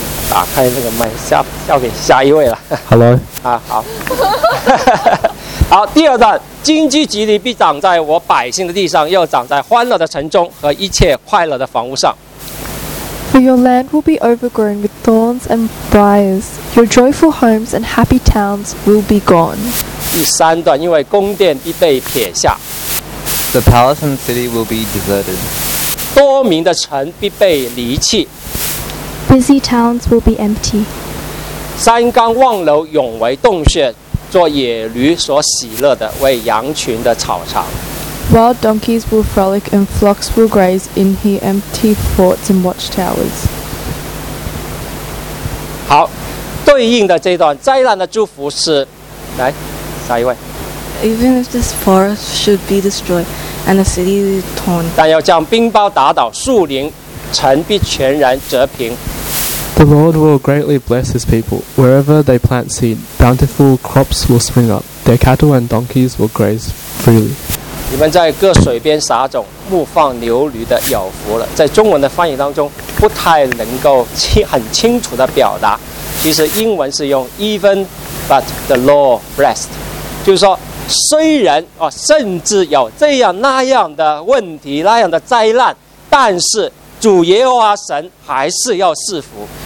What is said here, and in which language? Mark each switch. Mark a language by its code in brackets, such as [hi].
[zh] 打开那个麦，交给下一位了。 [en] Hello。 [zh] 啊，好。好，第二段，荆棘蒺藜必长在我百姓的地上，又长在欢乐的城中和一切快乐的房屋上。 [en] For your land will be overgrown with thorns and briars. Your joyful homes and happy towns will be gone. [zh] 第三段，因为宫殿必被撇下。 [en] The palace and city will be deserted. [zh] 多名的城必被离弃。 [en] Busy towns will be empty. [zh] 山冈望楼永为洞穴，做野驴所喜乐的，为羊群的草场。 [en] Wild donkeys will frolic and flocks will graze in his empty forts and watchtowers. [zh] 好，对应的这段灾难的祝福是，来，下一位。 [en] Even if this forest should be destroyed, And the city is torn. [zh] 但要将冰雹打倒，树林城必全然折平。 [en] The Lord will greatly bless his people. Wherever they plant seed, bountiful crops will spring up. Their cattle and donkeys will graze freely. [zh] 你们在各水边撒种，牧放牛驴的有福了。在中文的翻译当中，不太能够很清楚的表达。其实英文是用 [en] even, but the Lord blessed， [zh] 就是说虽然啊，甚至有这样那样的问题、那样的灾难，但是主耶和华神还是要赐福。